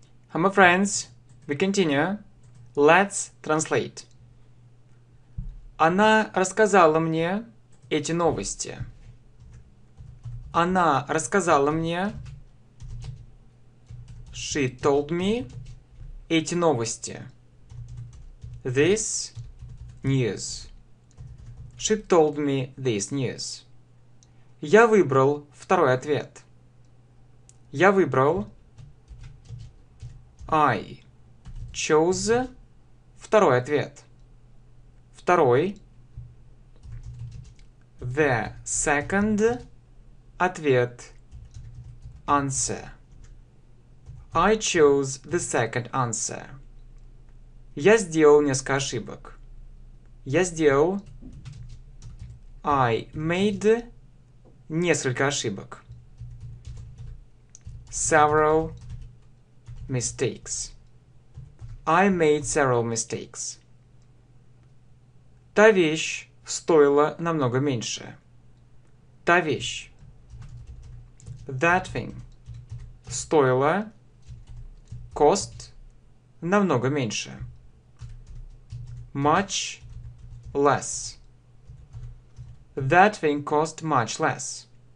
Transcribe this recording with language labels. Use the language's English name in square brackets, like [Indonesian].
[English] Hello friends, we continue. Let's translate. [Russian] Она рассказала мне эти новости. Она рассказала мне. [English] She told me [Russian] эти новости. [English] This news. She told me this news. [Russian] Я выбрал второй ответ. Я выбрал. [English] I chose [Russian] второй ответ. Второй. [English] The second ответ. Answer. I chose the second answer. [Russian] Я сделал несколько ошибок. Я сделал. [English] I made [Russian] несколько ошибок. [English] Several mistakes. I made several mistakes. [Russian] Та вещь стоила намного меньше. Та вещь. [English] That thing [Russian] стоила [English] cost [Russian] намного меньше. [English] Much less. That thing cost much less.